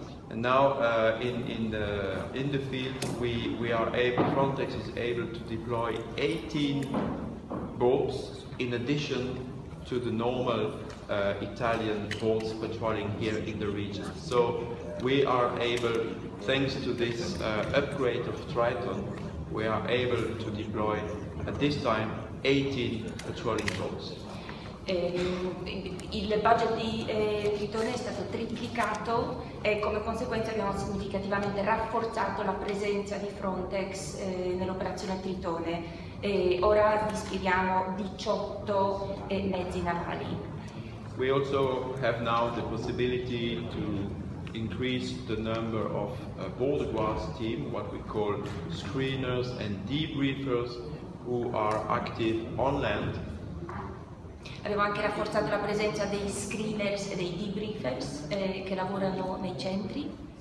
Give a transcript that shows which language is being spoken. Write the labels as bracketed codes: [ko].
[en] And now in the field we are able, Frontex is able to deploy 18 boats in addition to the normal Italian boats patrolling here in the region. So we are able, thanks to this upgrade of Triton, we are able to deploy at this time 18 patrolling boats. [it] Il budget di Triton è stato triplicato e come conseguenza abbiamo significativamente rafforzato la presenza di Frontex nell'operazione Triton. Ora dispieghiamo 18 mezzi navali. [en] We also have now the possibility to increase the number of border guards team, what we call screeners and debriefers, who are active on land. [it] Abbiamo anche rafforzato la presenza dei screeners e dei debriefers che lavorano nei centri.